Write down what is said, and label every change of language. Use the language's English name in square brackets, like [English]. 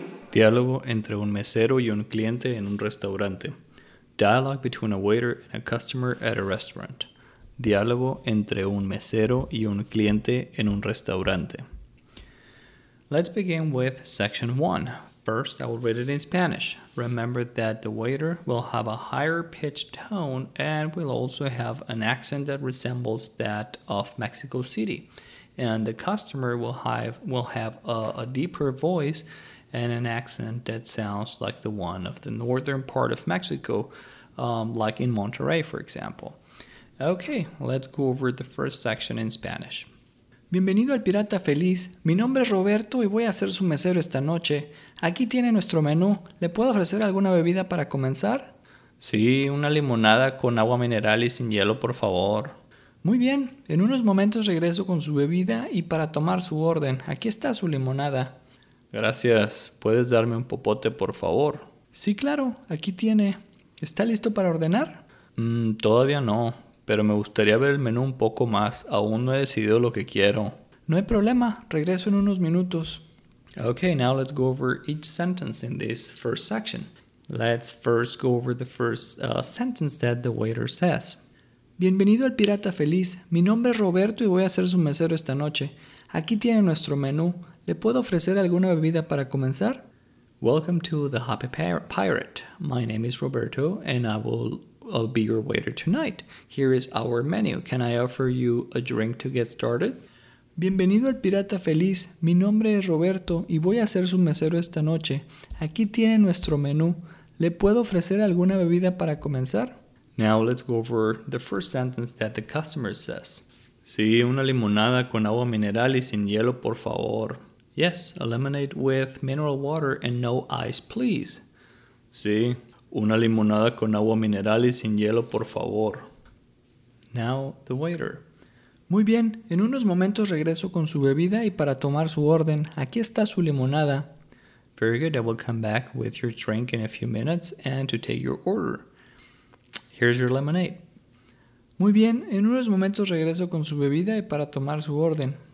[Spanish] Diálogo entre un mesero y un cliente en un restaurante. [English] Dialogue between a waiter and a customer at a restaurant. [Spanish] Diálogo entre un mesero y un cliente en un restaurante. [English] Let's begin with section 1. First, I will read it in Spanish. Remember that the waiter will have a higher pitched tone and will also have an accent that resembles that of Mexico City. And the customer will have a deeper voice and an accent that sounds like the one of the northern part of Mexico, like in Monterrey, for example. Okay, let's go over the first section in Spanish. [Spanish] Bienvenido al Pirata Feliz. Mi nombre es Roberto y voy a ser su mesero esta noche. Aquí tiene nuestro menú. ¿Le puedo ofrecer alguna bebida para comenzar? Sí, una limonada con agua mineral y sin hielo, por favor. Muy bien. En unos momentos regreso con su bebida y para tomar su orden. Aquí está su limonada. Gracias. ¿Puedes darme un popote, por favor? Sí, claro. Aquí tiene. ¿Está listo para ordenar? Todavía no. Pero me gustaría ver el menú un poco más. Aún no he decidido lo que quiero. No hay problema. Regreso en unos minutos. [English] Okay, now let's go over each sentence in this first section. Let's first go over the first sentence that the waiter says. [Spanish] Bienvenido al Pirata Feliz. Mi nombre es Roberto y voy a ser su mesero esta noche. Aquí tiene nuestro menú. ¿Le puedo ofrecer alguna bebida para comenzar? [English] Welcome to the Happy Pirate. My name is Roberto and I'll be your waiter tonight. Here is our menu. Can I offer you a drink to get started? [Spanish] Bienvenido al Pirata Feliz. Mi nombre es Roberto y voy a ser su mesero esta noche. Aquí tiene nuestro menú. ¿Le puedo ofrecer alguna bebida para comenzar? [English] Now let's go over the first sentence that the customer says. [Spanish] Sí, una limonada con agua mineral y sin hielo, por favor. [English] Yes, a lemonade with mineral water and no ice, please. [Spanish] Sí. Una limonada con agua mineral y sin hielo, por favor. [English] Now, the waiter. [Spanish] Muy bien, en unos momentos regreso con su bebida y para tomar su orden. Aquí está su limonada. [English] Very good, I will come back with your drink in a few minutes and to take your order. Here's your lemonade. [Spanish] Muy bien, en unos momentos regreso con su bebida y para tomar su orden.